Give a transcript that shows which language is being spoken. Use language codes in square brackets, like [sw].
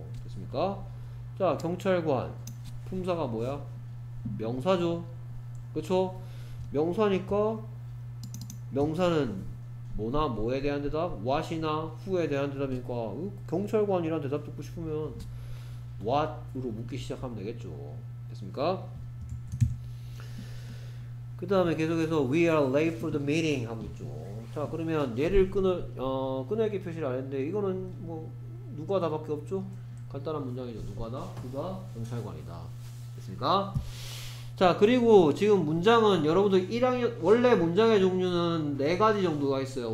[ko] 됐습니까? 자, 경찰관 품사가 뭐야? 명사죠. 그쵸? 명사니까 명사는 뭐나 뭐에 대한 대답? what이나 who에 대한 대답이니까 경찰관이란 대답 듣고 싶으면 what으로 묻기 시작하면 되겠죠. 됐습니까? 그 다음에 계속해서 [en] we are late for the meeting [ko] 하고 있죠. 자, 그러면 얘를 끊을게 표시를 안 했는데 이거는 뭐 누가다 밖에 없죠? 간단한 문장이죠. 누가다? 누가? 경찰관이다. 됐습니까? 자, 그리고 지금 문장은 여러분들 1학년 원래 문장의 종류는 4가지 정도가 있어요.